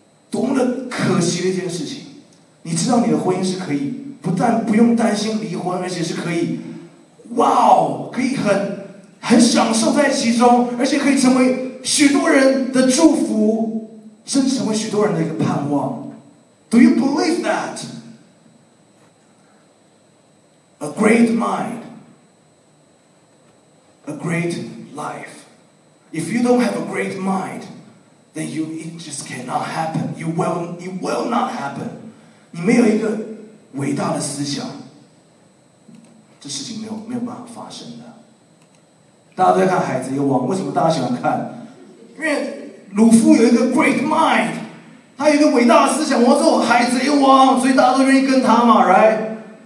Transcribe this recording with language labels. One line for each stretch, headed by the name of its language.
Chinese: 多么的可惜的一件事情！你知道你的婚姻是可以不但不用担心离婚，而且是可以，哇哦，可以很享受在其中，而且可以成为许多人的祝福，甚至成为许多人的一个盼望。
English: Do you believe that? A great mind, a great life. If you don't have a great mind, then it just cannot happen. It will not happen.
Chinese: 你没有一个伟大的思想，这事情没有办法发生的。大家都在看《海贼王》，为什么大家喜欢看？因为鲁夫有一个
English: great mind。
Chinese: 他有一个伟大的思想，我要做海贼王，所以大家都愿意跟他嘛 ，right？